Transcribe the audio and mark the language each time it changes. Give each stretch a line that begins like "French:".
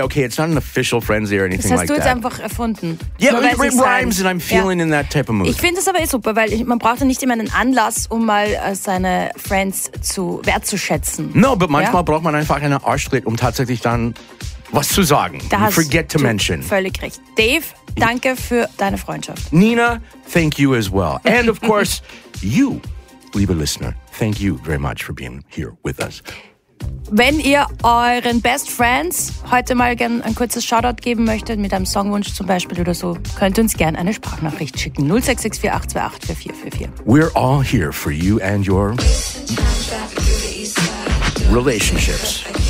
English: Okay, it's not an official Friends Day or anything like that.
German: Das hast du jetzt einfach erfunden.
English: Yeah, but it rhymes and I'm feeling in that type of mood.
German: Ich finde es aber super, weil man braucht ja nicht immer einen Anlass, um mal seine Friends zu wertzuschätzen.
English: No, but
German: manchmal braucht man einfach einen Arschtritt, um tatsächlich dann was zu sagen.
English: Forget to mention.
German: Völlig recht. Dave, danke für deine Freundschaft.
English: Nina, thank you as well. And of course, you,
German: liebe
English: Listener, thank you very much for being here with us.
German: Wenn ihr euren Best Friends heute mal gerne ein kurzes Shoutout geben möchtet, mit einem Songwunsch zum Beispiel oder so, könnt ihr uns gerne eine Sprachnachricht schicken. 0664-828-4444.
English: We're all here for you and your relationships.